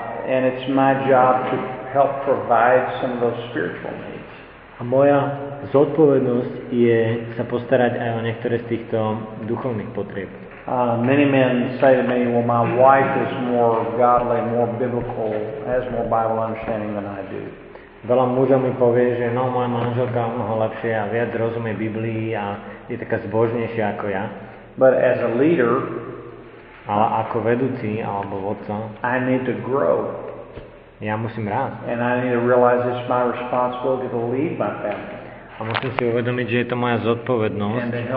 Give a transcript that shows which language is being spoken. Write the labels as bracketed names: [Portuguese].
[English] And it's my job to help provide some of those spiritual needs. [Slovak] A moja zodpovednosť je sa postarať aj o niektoré z týchto duchovných potrieb. [English] Many men say to me, well, my wife is more godly, more biblical, has more Bible understanding than I do. [Slovak] Veľa mužov mi povie, že no, moja manželka je mnoho lepšie a viac rozumie Biblii a je taká zbožnejšia ako ja. [English] But as a leader, [Slovak] ale ako vedúci alebo vodca, [English] I need to grow. [Slovak] Ja musím rásť. [English] And I need to realize it's my responsibility to lead my family. [Slovak] A musím si uvedomiť, že je to moja zodpovednosť